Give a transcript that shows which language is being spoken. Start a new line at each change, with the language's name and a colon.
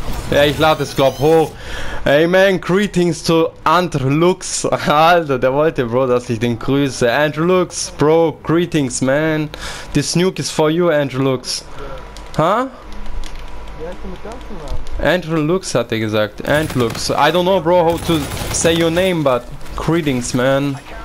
German: Ja, ich lade es, glaub, hoch.
English: Hey, man, greetings to
German: Andrew Lux. Alter, der wollte, Bro, dass ich den grüße.
English: Andrew Lux, Bro, greetings, man. This Nuke is for you, Andrew Lux. Ha?
German: Wie heißt du mit ganzem Namen? Andrew Lux hat er gesagt. Andrew Lux.
English: I don't know, bro, how to say your name, but greetings, man.